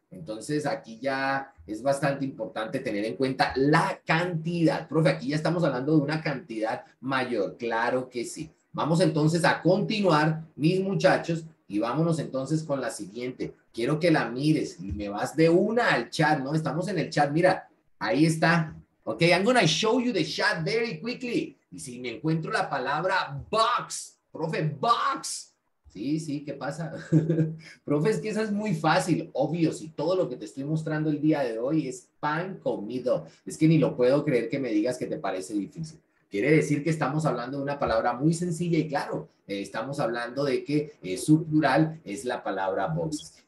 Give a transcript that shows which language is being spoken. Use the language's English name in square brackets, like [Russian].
[Spanish] Entonces, aquí ya es bastante importante tener en cuenta la cantidad. Profe, aquí ya estamos hablando de una cantidad mayor. Claro que sí. Vamos entonces a continuar, mis muchachos, y vámonos entonces con la siguiente. Quiero que la mires y me vas de una al chat, ¿no? Estamos en el chat. Mira, ahí está. [English] Ok, I'm gonna show you the chat very quickly. [Spanish] Y si me encuentro la palabra box, profe, box. Sí, sí, ¿qué pasa? Profe, es que esa es muy fácil, obvio, si todo lo que te estoy mostrando el día de hoy es pan comido. Es que ni lo puedo creer que me digas que te parece difícil. Quiere decir que estamos hablando de una palabra muy sencilla y claro, estamos hablando de que su plural es la palabra box.